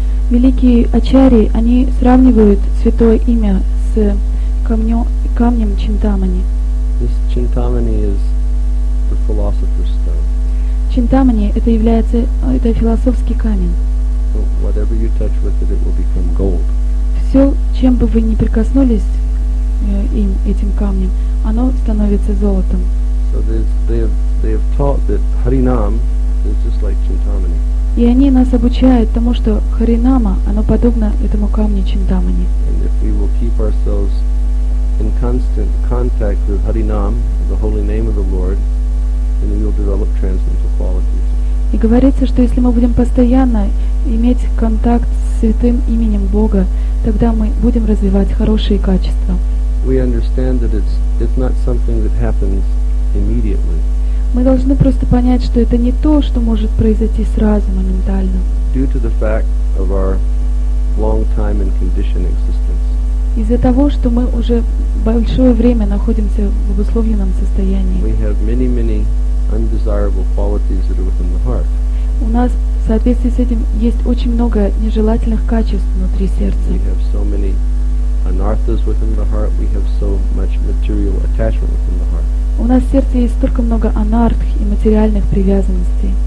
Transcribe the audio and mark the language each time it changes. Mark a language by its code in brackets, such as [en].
[ru] Великие ачарьи, они сравнивают святое имя с камнем Чинтамани. [en] This Chintamani is the philosopher's stone. [ru] Чинтамани это является философский камень. [en] whatever you touch with it, it will become gold. [ru] Все, чем бы вы ни прикоснулись им, этим камнем, оно становится золотом. [en] So they have taught that Харинам is just like Чинтамани. [ru] И они нас обучают тому, что Харинама, оно подобно этому камню Чинтамани. [en] And if we will keep ourselves in constant contact with Харинам, the holy name of the Lord, then we will develop transcendental qualities. [ru] И говорится, что если мы будем постоянно иметь контакт с святым именем Бога, тогда мы будем развивать хорошие качества. [en] We understand that it's not something that happens immediately. [ru] Мы должны просто понять, что это не то, что может произойти сразу, моментально. [en] Due to the fact of our long time and conditioned existence. [ru] Из-за того, что мы уже большое время находимся в обусловленном состоянии. [en] We have many, many undesirable qualities that are within the heart. [ru] У нас, в соответствии с этим, есть очень много нежелательных качеств внутри сердца. [en] We have so many anarthas within the heart. We have so much material attachment within the heart. [ru] У нас в сердце есть столько много анартх и материальных привязанностей.